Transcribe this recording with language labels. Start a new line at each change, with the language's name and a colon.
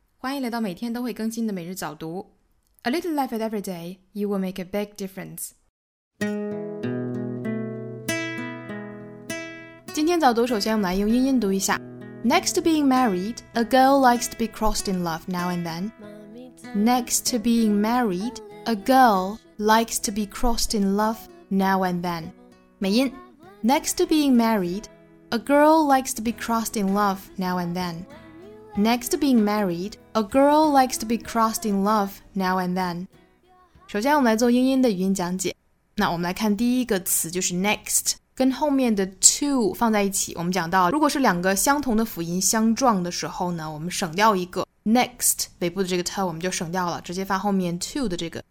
Chinese: 欢迎来到每天都会更新的每日早读。
English: A little effort every day, you will make a big difference.
Chinese: 今天早读首先我们来用英音读一下。
English: Next to being married, a girl likes to be crossed in love now and then. Next to being married, a girl likes to be crossed in love now and then.
Chinese: 美音。
English: Next to being married, a girl likes to be crossed in love now and then. Next to being married, a girl likes to be crossed in love now and then.
Chinese: 首先我们来做英音的语音讲解。那我们来看第一个词就是 next, 跟后面的 to 放在一起。我们讲到如果是两个相同的辅音相撞的时候呢，我们省掉一个 next, 尾部的这个 to 我们就省掉了，直接发后面 to 的这个。